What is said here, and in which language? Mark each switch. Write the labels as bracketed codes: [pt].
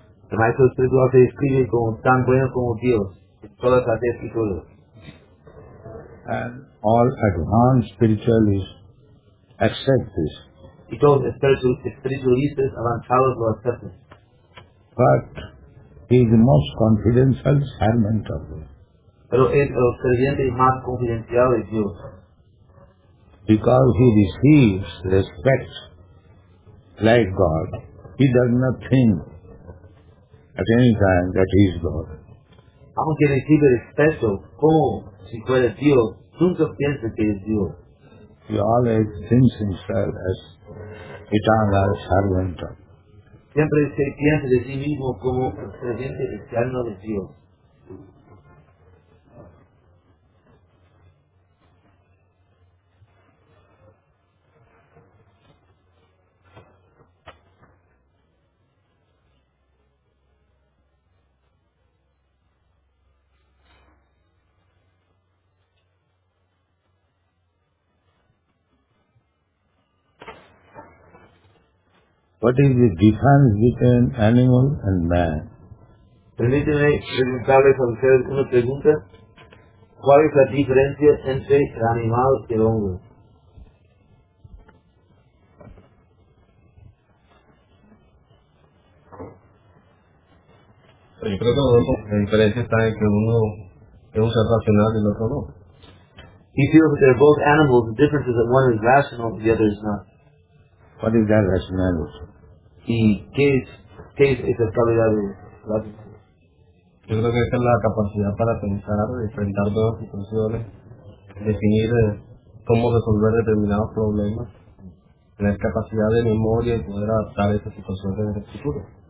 [en] The Master Spiritual Master is clearly [es] tan bueno como Dios en todas las escrituras. [en] And all advanced spiritualists accept this. [es] Y todos los espiritualistas avanzados lo aceptan. [en] But he is the most confidential servant of God. [es] Pero es el servidor más confidencial de Dios. [en] Because he receives respect like God, he does not think at any time that he is God. [es] Aunque recibe respeto como si fuera Dios, nunca piensa que es Dios. [en] He always thinks himself as eternal servant of God. [es] Siempre se piensa de sí mismo como presidente eterno de Dios. [en] What is the difference between animal and man? [es] Permíteme preguntarles a ustedes una pregunta. ¿Cuál es la diferencia entre el animal y el hombre? Yo creo que la diferencia está en que uno es un ser racional y el otro no. [en] He feels that they're both animals. The difference is that one is rational and the other is not. What is that rationality? [es] ¿Y qué es esa calidad de la vida? Yo creo que esa es la capacidad para pensar, enfrentar nuevas situaciones, definir cómo resolver determinados problemas, tener capacidad de memoria y poder adaptar esas situaciones en el futuro.